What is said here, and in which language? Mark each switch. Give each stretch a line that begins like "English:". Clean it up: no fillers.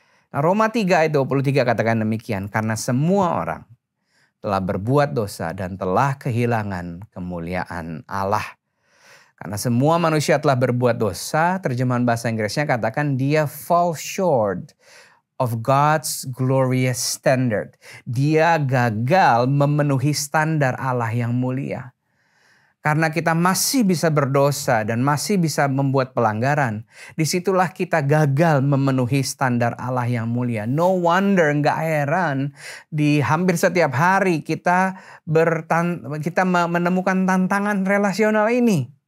Indonesian: Nah, Roma 3 ayat 23 katakan demikian, karena semua orang telah berbuat dosa dan telah kehilangan kemuliaan Allah. Karena semua manusia telah berbuat dosa, terjemahan bahasa Inggrisnya katakan dia
English: fall short of God's glorious standard.
Indonesian: Dia gagal memenuhi standar Allah yang mulia. Karena kita masih bisa berdosa dan masih bisa membuat pelanggaran, disitulah kita gagal memenuhi standar Allah yang mulia.
English: No wonder,
Indonesian: gak heran, di hampir setiap hari kita menemukan tantangan relasional ini.